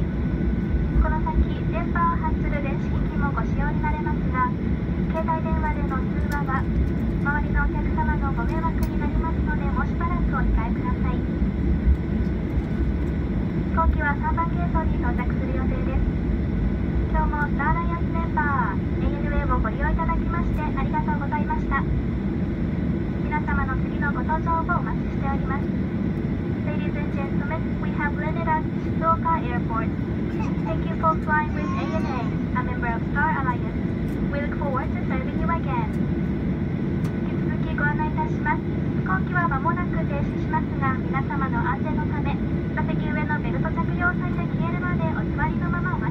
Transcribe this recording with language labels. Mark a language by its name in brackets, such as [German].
[Japanese] この先電波を発する電子機器もご使用になれますが、携帯電話での通話は周りのお客様のご迷惑になりますので、もうしばらくお控えください。飛行機は3番ゲートに到着する予定です。今日もスターライアンスメンバー ANA をご利用いただきましてありがとうございました。皆様の次のご搭乗をお待ちしております。 [English] Ladies and gentlemen, we have landed at Shizuoka Airport. Thank you for flying with ANA, a member of Star Alliance. We look forward to serving you again. [Japanese] 引き続きご案内いたします。飛行機は間もなく停止しますが、皆様の安全のため座席上のベルト着用を最大消えるまでお座りのまま